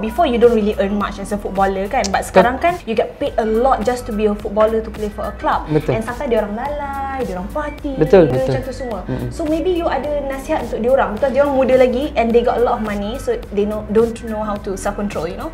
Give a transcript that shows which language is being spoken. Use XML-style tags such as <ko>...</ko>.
<en>Before you don't really earn much as a footballer kan. But sekarang kan you get paid a lot just to be a footballer to play for a club.</en> <ms>Betul.</ms> <en>And sometimes</en> <ms>dia orang lalai, dia orang party. Betul. Dia betul. Macam tu semua.</ms> <en>So maybe you</en> <ms>ada nasihat untuk dia orang.</ms> <en>Because</en> <ms>dia orang muda lagi</ms> <en>and they got a lot of money. So they don't know how to self-control, you know.</en>